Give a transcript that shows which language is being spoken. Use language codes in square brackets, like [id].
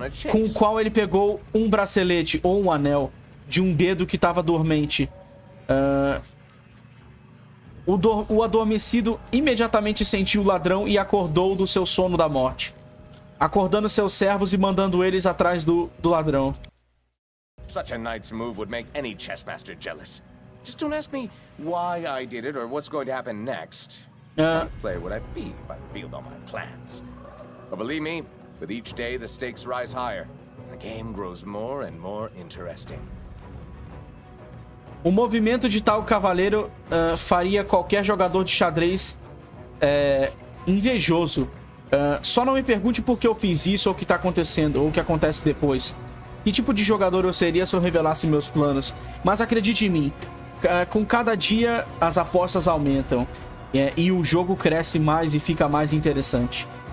[pt] Com o qual ele pegou um bracelete ou um anel de um dedo que estava dormente. O adormecido imediatamente sentiu o ladrão e acordou do seu sono da morte, acordando seus servos e mandando eles atrás do ladrão. [en] Such a knight's move would make any chess master jealous. Just don't ask me why I did it or what's going to happen next. What player would I be if I revealed all my plans? But believe me, with each day the stakes rise higher, the game grows more and more interesting. [pt] O movimento de tal cavaleiro faria qualquer jogador de xadrez invejoso. Só não me pergunte por que eu fiz isso ou o que está acontecendo, ou o que acontece depois. Que tipo de jogador eu seria se eu revelasse meus planos? Mas acredite em mim, com cada dia as apostas aumentam e o jogo cresce mais e fica mais interessante.